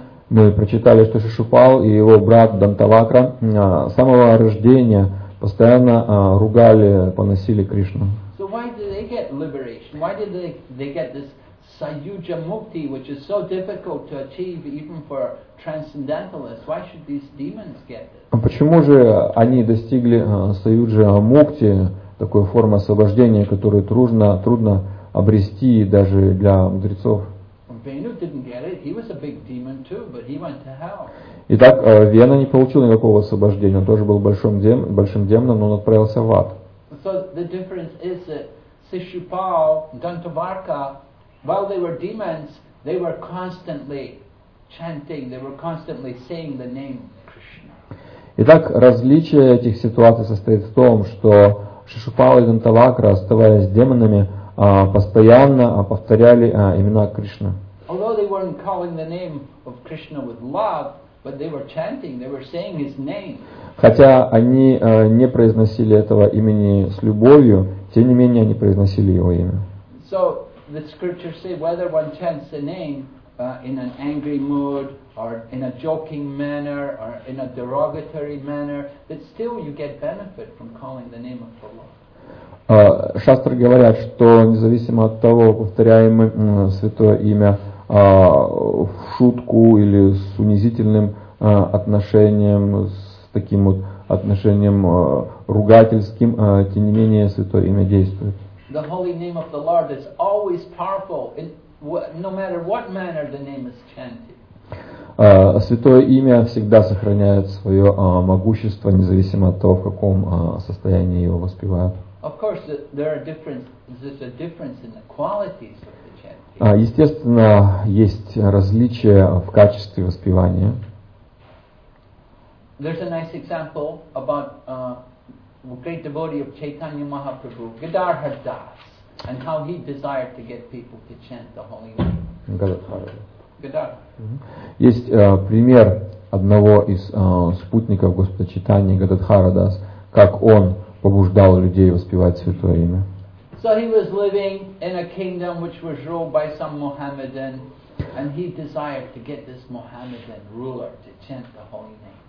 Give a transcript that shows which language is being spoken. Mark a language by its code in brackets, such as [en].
[ru] Мы прочитали, что Шишупал и его брат Дантавакра с самого рождения постоянно ругали, поносили Кришну. [en] So why did they get liberation? Why did they get this Sayuja Mukti, which is so difficult to achieve even for transcendentalists? Why should these demons get this? [ru] Почему же они достигли Саюджа Мукти, такой формы освобождения, которую трудно обрести даже для мудрецов? [en] Venu didn't get it. He was a big demon too, but he went to hell. [ru] Итак, Вена не получил никакого освобождения. Он тоже был большим демоном, но он отправился в ад. [en] So the difference is that Sishupal, Dantavarka, while they were demons, they were constantly chanting. They were constantly saying the name Krishna. [ru] Итак, различие этих ситуаций состоит в том, что Шишупал и Дантавакра, оставаясь демонами, постоянно повторяли имена Кришны. [en] Although they weren't calling the name of Krishna with love, But they were chanting, they were saying his name. [ru] Хотя они не произносили этого имени с любовью, тем не менее они произносили его имя. [en] So the scriptures say whether one chants the name in an angry mood or in a joking manner or in a derogatory manner, that still you get benefit from calling the name of Allah. [ru] Шастры говорят, что независимо от того, повторяем мы святое имя в шутку или с унизительным отношением, с таким вот отношением ругательским, тем не менее святое имя действует. [en] The holy name of the Lord is always powerful, no matter what manner the name is chanted. [ru] Святое имя всегда сохраняет свое могущество, независимо от того, в каком состоянии его воспевают. [en] Of course, there are differences. There's a difference in the qualities of the chanting. [ru] Естественно, есть различия в качестве воспевания. [en] There's a nice example about a great devotee of Chaitanya Mahaprabhu, Gadadhar Das, and how he desired to get people to chant the holy name. Gadadhar. [ru] Есть пример одного из спутников Господа Чайтаньи, Гададхара Дас, как он побуждал людей воспевать святое имя. [en] So he was living in a kingdom which was ruled by some Mohammedan, and he desired to get this Mohammedan ruler to chant the holy name.